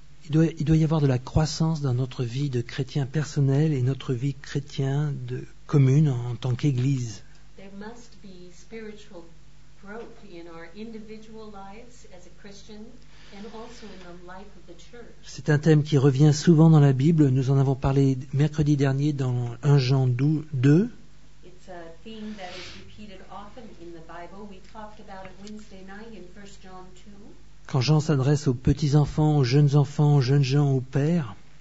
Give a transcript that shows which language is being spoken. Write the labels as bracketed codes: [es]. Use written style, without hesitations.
[fr] Il doit y avoir de la croissance dans notre vie de chrétien personnel et notre vie chrétienne de commune en tant qu'église. [en] There must be spiritual growth in our individual lives as a Christian and also in the life of the church. [fr] C'est un thème qui revient souvent dans la Bible. Nous en avons parlé mercredi dernier dans 1 Jean 2. [en] It's a theme that is repeated often in the Bible. We talked about it Wednesday night in 1 John 2. [fr] Quand Jean s'adresse aux petits-enfants, aux jeunes enfants, aux jeunes gens, aux pères,